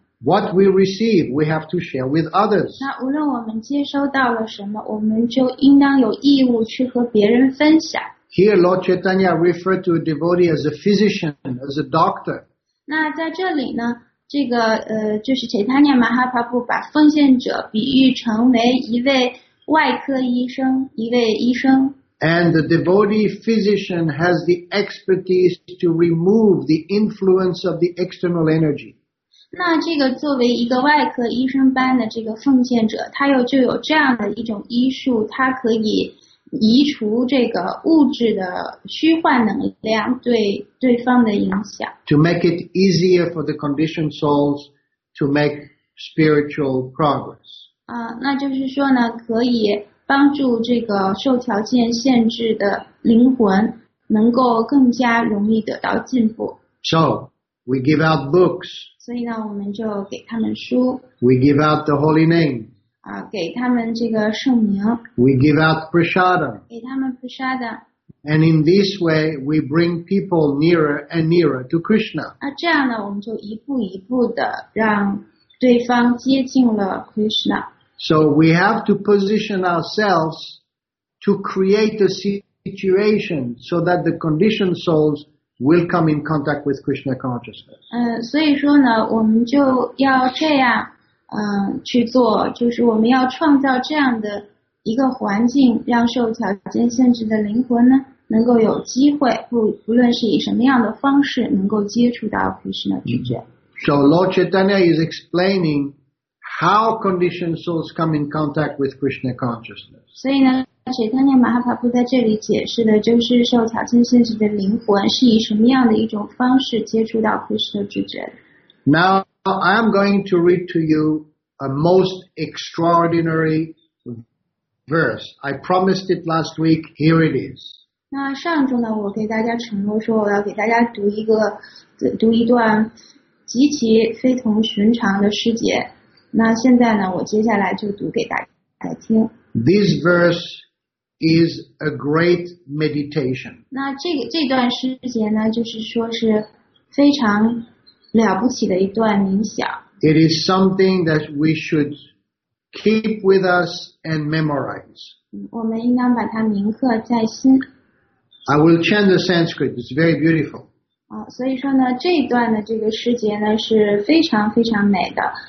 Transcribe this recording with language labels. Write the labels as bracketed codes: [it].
[en] What we receive, we have to share with others. [zh] 那无论我们接收到了什么，我们就应当有义务去和别人分享。 [en] Here, Lord Chaitanya referred to a devotee as a physician, as a doctor. [zh] 那在这里呢，这个就是 Chaitanya Mahaprabhu 把奉献者比喻成为一位外科医生，一位医生。 [en] And the devotee physician has the expertise to remove the influence of the external energy. [zh] 那这个作为一个外科医生般的这个奉献者，他又就有这样的一种医术，他可以。移除这个物质的虚幻能量对对方的影响。 [en] To make it easier for the conditioned souls to make spiritual progress. [zh] 那就是说呢，可以帮助这个受条件限制的灵魂能够更加容易得到进步。 [en] So, we give out books. [zh] 所以呢，我们就给他们书。 [en] We give out the holy name. [zh] 给他们这个圣名。 [en] We give out prasadam. [zh] 给他们 prasadam. [en] And in this way, we bring people nearer and nearer to Krishna. [zh] 这样呢，我们就一步一步的让对方接近了 Krishna. [en] So we have to position ourselves to create a situation so that the conditioned souls will come in contact with Krishna consciousness. [zh] 所以说呢，我们就要这样。去做，就是我们要创造这样的一个环境，让受条件限制的灵魂呢，能够有机会，不论是以什么样的方式，能够接触到 Krishna 知觉。 [en] So Lord Chaitanya is explaining how conditioned souls come in contact with Krishna consciousness. [zh] 所以呢 ，Chaitanya Mahaprabhu 在这里解释的就是受条件限制的灵魂是以什么样的一种方式接触到 Krishna 知觉。 [en] Now. I am going to read to you a most extraordinary verse. I promised it last week. Here it is. [zh] 那上周呢，我给大家承诺说，我要给大家读一段极其非同寻常的诗节。那现在呢，我接下来就读给大家听。 [en] This verse is a great meditation. [zh] 那这段诗节呢，就是说是非常。了不起的一段冥想。 [en] It is something that we should keep with us and memorize. [zh] 我们应当把它铭刻在心。 [en] I will chant the Sanskrit. It's very beautiful. [zh] 所以说呢，这一段的这个诗节呢是非常非常美的。